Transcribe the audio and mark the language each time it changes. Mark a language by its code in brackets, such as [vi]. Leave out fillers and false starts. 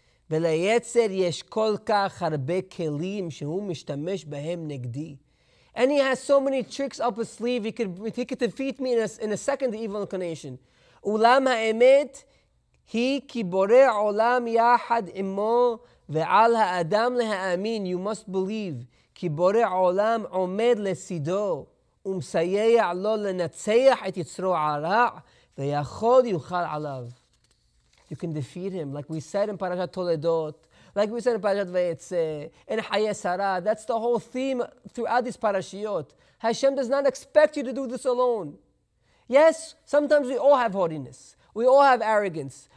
[he] ולייצר יש כל כך הרבה כלים שהוא משתמש בהם נגדי. [en] And he has so many tricks up his sleeve, he could defeat me in a second evil incarnation. [he] אולם האמת היא כי בורא עולם יחד עמו ועל האדם להאמין. [en] You must believe. [he] כי בורא עולם עומד לסידו ומסייע לו לנצח את יצרו הרע ויכול יוכל עליו. [en] You can defeat him, like we said in Parashat Toledot, like we said in Parashat Vayetze, in Chaye Sarah. That's the whole theme throughout these parashiyot. Hashem does not expect you to do this alone. Yes, sometimes we all have haughtiness. We all have arrogance.